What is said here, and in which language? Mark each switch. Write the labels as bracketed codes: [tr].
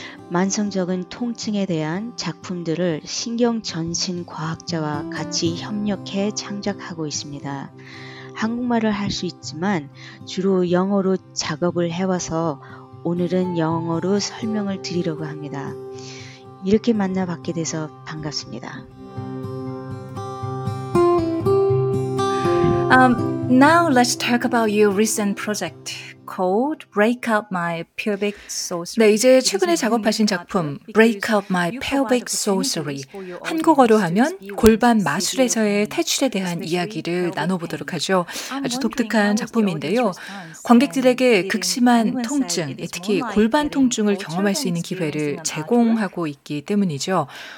[ko] 만성적인 통증에 대한 작품들을 신경전신과학자와 같이 협력해 창작하고 있습니다. 한국말을 할 수 있지만 주로 영어로 작업을 해와서 오늘은 영어로 설명을 드리려고 합니다. 이렇게 만나뵙게 돼서 반갑습니다. [en] Now let's talk about your recent project called Break Up My Pelvic Sorcery. [ko] 네, 이제 최근에 작업하신 작품 Break Up My Pelvic Sorcery. 한국어로 하면 골반 마술에서의 퇴출에 대한 이야기를 나눠보도록 하죠. 아주 독특한 작품인데요. 관객들에게 극심한 통증, 특히 골반 통증을 경험할 수 있는 기회를 제공하고 있기 때문이죠.